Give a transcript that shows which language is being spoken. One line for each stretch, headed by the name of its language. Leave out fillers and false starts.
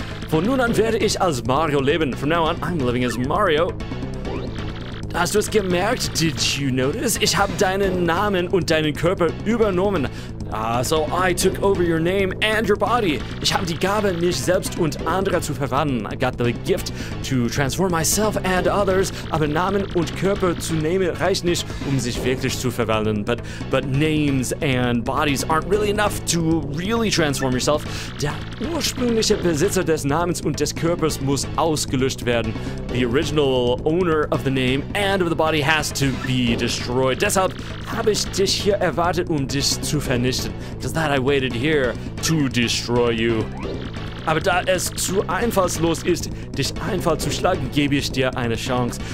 German: Von nun an werde ich als Mario leben.
English: From now on, I'm living as Mario.
German: Hast du es gemerkt?
English: Did you notice?
German: Ich habe deinen Namen und deinen Körper übernommen.
English: So I took over your name and your body.
German: Ich habe die Gabe, mich selbst und andere zu verwandeln.
English: I got the gift to transform myself and others.
German: Aber Namen und Körper zu nehmen reicht nicht, um sich wirklich zu verwandeln.
English: But names and bodies aren't really enough to really transform yourself.
German: Der ursprüngliche Besitzer des Namens und des Körpers muss ausgelöscht werden.
English: The original owner of the name and of the body has to be destroyed.
German: Deshalb habe ich dich hier erwartet, um dich zu vernichten.
English: Because that I waited here to destroy you.
German: Aber da es zu einfallslos ist, dich einfach zu schlagen, gebe ich dir eine Chance.